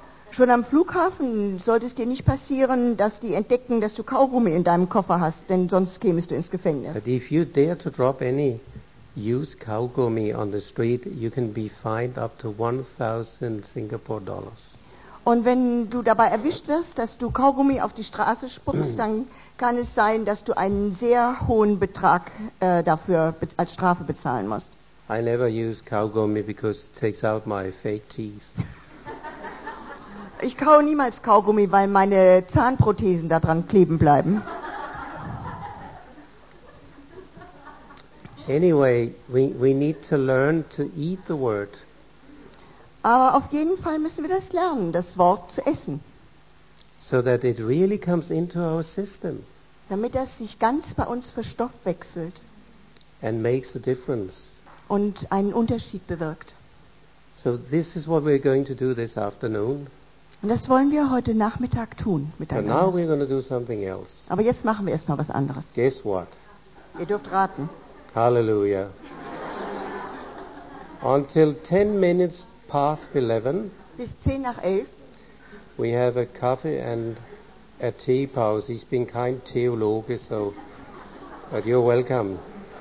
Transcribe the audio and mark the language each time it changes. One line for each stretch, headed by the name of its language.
German: Schon am Flughafen sollte es dir nicht passieren, dass die entdecken, dass du Kaugummi in deinem Koffer hast, denn sonst kämest du ins Gefängnis.
English: But if you dare to drop any use Kaugummi on the street, you can be fined up to 1,000 Singapore dollars.
German: Und wenn du dabei erwischt wirst, dass du Kaugummi auf die Straße spuckst, dann kann es sein, dass du einen sehr hohen Betrag dafür als Strafe bezahlen musst.
English: I never use Kaugummi because it takes out my fake teeth.
German: Ich kaue niemals Kaugummi, weil meine Zahnprothesen daran kleben bleiben.
English: Anyway, we need to learn to eat the word.
German: Aber auf jeden Fall müssen wir das lernen, das Wort zu essen.
English: So that it really comes into our system.
German: damit er sich ganz bei uns verstoffwechselt
English: and makes a difference.
German: Und einen Unterschied bewirkt.
English: So this is what we're going to do this afternoon.
German: Und das wollen wir heute Nachmittag tun miteinander.
English: But now we're going to do something else.
German: Aber jetzt machen wir erstmal was anderes.
English: Guess what?
German: Ihr dürft raten. Halleluja.
English: Until 10 minutes past 11.
German: Bis 10 nach 11.
English: We have a coffee and a tea pause. He's been kind Theologe, so but you're welcome.